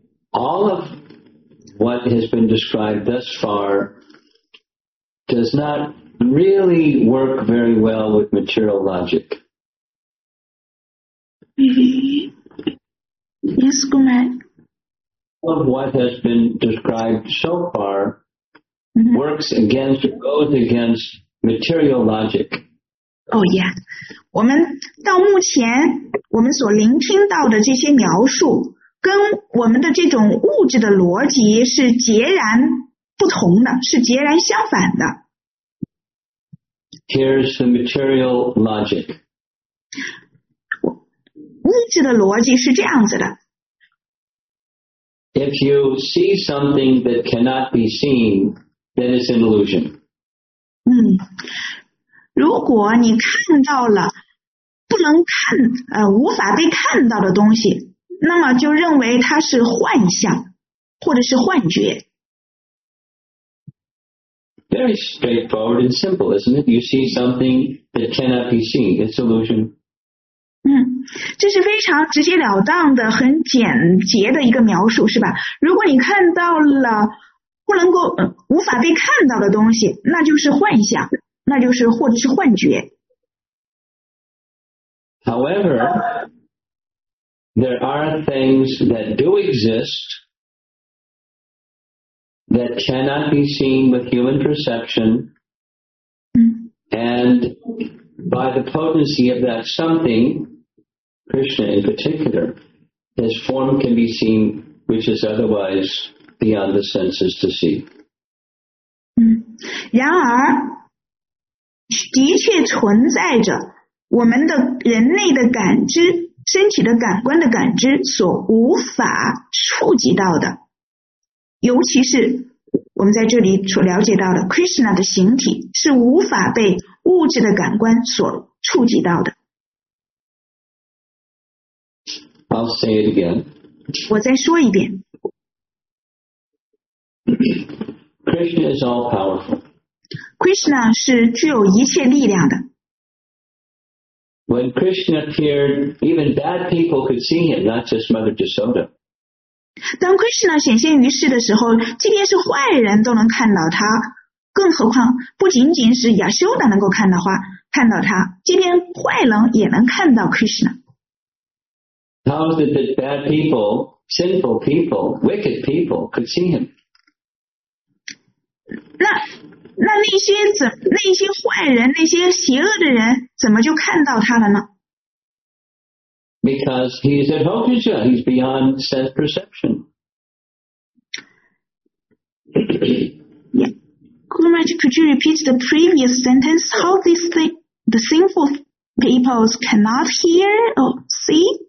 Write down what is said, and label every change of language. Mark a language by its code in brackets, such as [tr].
[en] All of what has been described thus far does not really work very well with material logic. Yes, go ahead. All of what has been described so far works against or goes against material logic. Oh yeah, [zh] 我们到目前我们所聆听到的这些描述跟我们的这种物质的逻辑是截然不同的，是截然相反的。 [en] Here's the material logic. [zh] 物质的逻辑是这样子的。 [en] If you see something that cannot be seen, then it's an illusion. 嗯。 [zh] 如果你看到了不能看无法被看到的东西，那么就认为它是幻象或者是幻觉。 [en] Very straightforward and simple, isn't it? You see something that cannot be seen, it's illusion. [zh] 这是非常直截了当的很简洁的一个描述，是吧？如果你看到了不能够无法被看到的东西，那就是幻象。那就是或者是幻觉。 [en] However, there are things that do exist that cannot be seen with human perception, and by the potency of that something, Krishna in particular, his form can be seen, which is otherwise beyond the senses to see. [zh] 然而的确存在着我们的人类的感知，身体的感官的感知所无法触及到的，尤其是我们在这里所了解到的 Krishna 的形体是无法被物质的感官所触及到的。 [en] I'll say it again. [zh] 我再说一遍。 [en] Krishna is all powerful. [zh] Krishna 是具有一切力量的。 [en] When Krishna appeared, even bad people could see him, not just Mother Jashoda. [zh] 当 Krishna 显现于世的时候，即便是坏人都能看到他，更何况不仅仅是 Yashoda 能够看到他，即便坏人也能看到 Krishna。 [en] How did the bad people, sinful people, wicked people could see him? [zh] 那些坏人，那些邪恶的人，怎么就看到他了呢？ [en] Because he is a Bhogija, he's beyond sense perception. Yeah. Guru Maharaj, could you repeat the previous sentence? How these the sinful people cannot hear or see?